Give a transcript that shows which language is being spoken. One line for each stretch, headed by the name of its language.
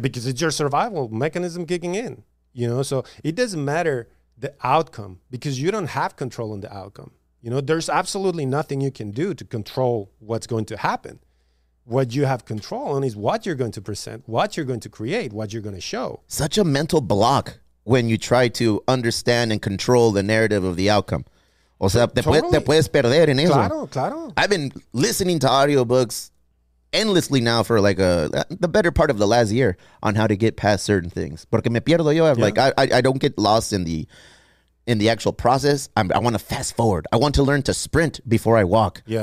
English: Because it's your survival mechanism kicking in, you know? So it doesn't matter the outcome because you don't have control on the outcome. You know, there's absolutely nothing you can do to control what's going to happen. What you have control on is what you're going to present, what you're going to create, what you're going to show. Such a mental block when you try to understand and control the narrative of the outcome.
Spanish: O sea, te puedes perder en eso. Claro, claro.
English: I've been listening to audiobooks endlessly now for like the better part of the last year on how to get past certain things.
Spanish: Porque me pierdo yo.
English: Yeah. Like, I don't get lost in the... in the actual process, I want to fast forward. I want to learn to sprint before I walk. Yeah.